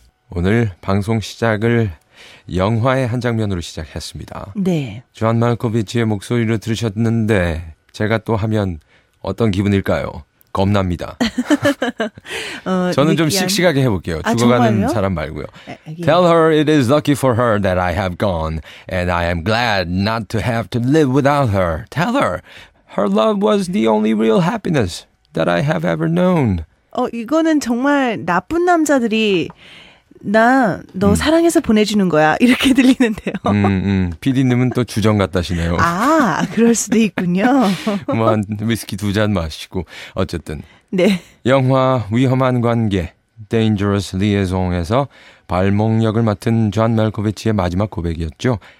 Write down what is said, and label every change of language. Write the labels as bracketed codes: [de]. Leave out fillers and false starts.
[ko] 오늘 방송 시작을 영화의 한 장면으로 시작했습니다. 네. 존 말코비치의 목소리를 들으셨는데 제가 또 하면 어떤 기분일까요? 겁납니다. 저는 좀 씩씩하게 해볼게요. 죽어가는 사람 말고요. [en] Tell her it is lucky for her that I have gone, and I am glad not to have to live without her. Tell her, her love was the only real happiness that I have ever known. [ko] 이거는 정말 나쁜 남자들이 나 너 사랑해서 보내주는 거야 이렇게 들리는데요. 피디님은 또 주정 같다시네요. 아, 그럴 수도 있군요. 뭐 한 위스키 두 잔 마시고 어쨌든. 네. 영화 위험한 관계 Dangerous Liaison에서 발목 역을 맡은 존 말코비치의 마지막 고백이었죠.